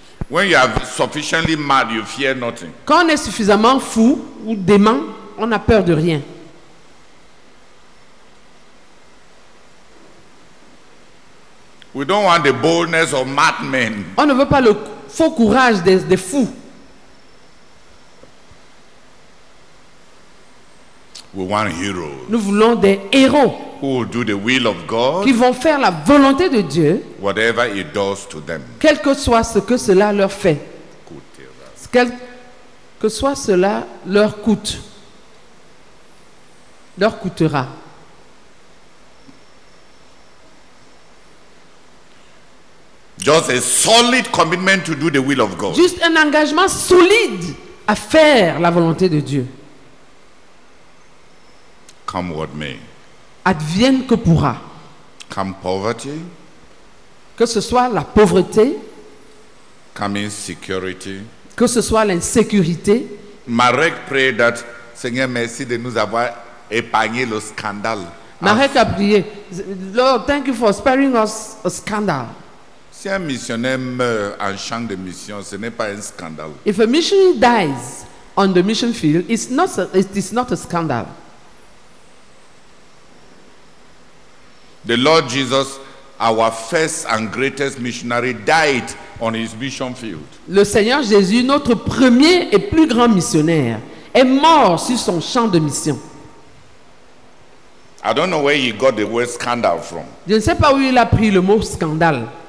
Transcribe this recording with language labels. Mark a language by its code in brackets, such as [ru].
[en] When you are sufficiently mad, you fear nothing. [fr] Quand on est suffisamment fou ou dément, on n'a peur de rien. [en] We don't want the boldness of madmen. [fr] On ne veut pas le faux courage des fous. [en] We want heroes. [fr] Nous voulons des héros. [en] Who will do the will of God? [fr] Qui vont faire la volonté de Dieu? [en] Whatever it does to them. [fr] Quel que soit ce que cela leur fait. Quel que soit cela leur coûte. Leur coûtera. [en] Just a solid commitment to do the will of God. [fr] Juste un engagement solide à faire la volonté de Dieu. [en] Come what may. [fr] Advienne que pourra. [en] Come poverty. [fr] Que ce soit la pauvreté. [en] Come insecurity. [fr] Que ce soit l'insécurité. Marek prie that Seigneur merci de nous avoir épargné le scandale. Marek a prié. [en] Lord, thank you for sparing us a scandal. [fr] Si un missionnaire meurt en champ de mission, ce n'est pas un scandale. [en] If a missionary dies on the mission field, it's not a scandal. The Lord Jesus, our first and greatest missionary, died on his mission field. [fr] Le Seigneur Jésus, notre premier et plus grand missionnaire, est mort sur son champ de mission. [en] I don't know where he got the word scandal from. [fr] Je ne sais pas où il a pris le mot scandale.